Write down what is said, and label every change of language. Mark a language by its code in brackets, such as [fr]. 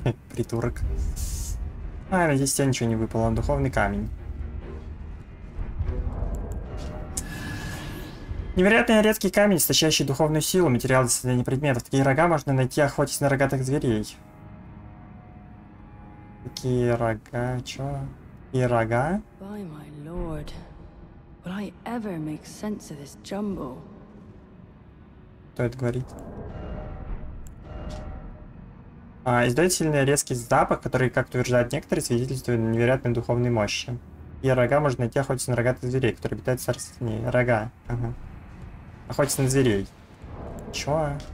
[ru] Притурок. А, надеюсь, тебе ничего не выпало. Духовный камень. Невероятный редкий камень, источающий духовную силу, материал для создания предметов. Такие рога можно найти, охотясь на рогатых зверей. Такие рога, чё? И рога? [en] By my lord, would I ever make sense of this jumble? [ru] Кто это говорит? А, издает сильный резкий запах, который, как утверждают некоторые, свидетельствует о невероятной духовной мощи. И рога можно найти, охотиться на рогатых зверей, которые обитают в царстве теней. Рога. Ага. Охотиться на зверей. Чё?